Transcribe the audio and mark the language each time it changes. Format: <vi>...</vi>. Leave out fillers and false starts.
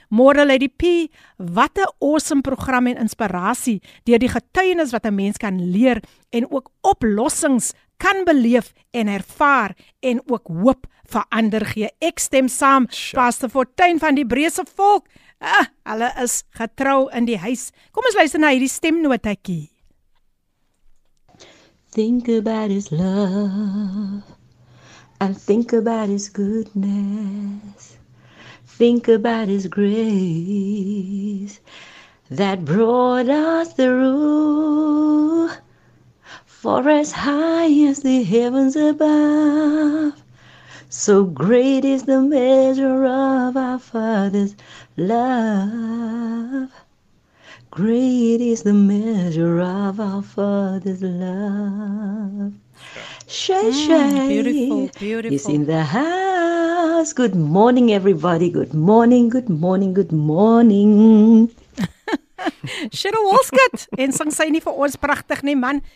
<af>Môre Lady P, wat 'n awesome program en inspirasie deur die getuienis wat 'n mens kan leer en ook oplossings kan beleef en ervaar en ook hoop vir ander gee. Ek stem saam, Pastor Fortuin van die Hebreëse volk. Hulle is getrou in die huis. Kom ons luister na hierdie stemnotetjie.</af> <en>Think about his love, and think about his goodness. Think about his grace that brought us through. For as high as the heavens above, so great is the measure of our Father's love. Great is the measure of our Father's love. Shay, Shay. Beautiful, beautiful. He's in the house. Good morning, everybody. Good morning, good morning, good morning. Cheryl Wolskut.</en> <af>En sing sy nie vir ons prachtig nie, man.</af>